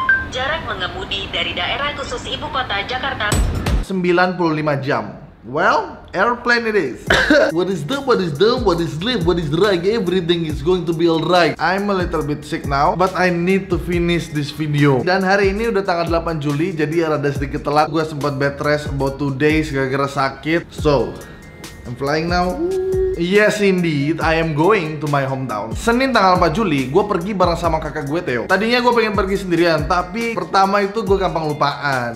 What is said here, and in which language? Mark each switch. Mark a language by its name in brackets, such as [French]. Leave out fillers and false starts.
[Indonesian] Jarak mengemudi dari daerah khusus ibu kota Jakarta 95 jam. [English] Well, airplane it is. What is the, what is the, what is sleep, what is right, everything is going to be alright. I'm a little bit sick now, but I need to finish this video. [Indonesian] Dan hari ini udah tanggal 8 Juli, jadi ya rada sedikit telat. Gua sempat [English] bed rest about 2 days [Indonesian] gara-gara sakit. [English] So, I'm flying now. Yes indeed, I am going to my hometown. [Indonesian] Senin tanggal 4 Juli, gue pergi bareng sama kakak gue Theo. Tadinya gue pengen pergi sendirian, tapi pertama itu gue gampang lupaan.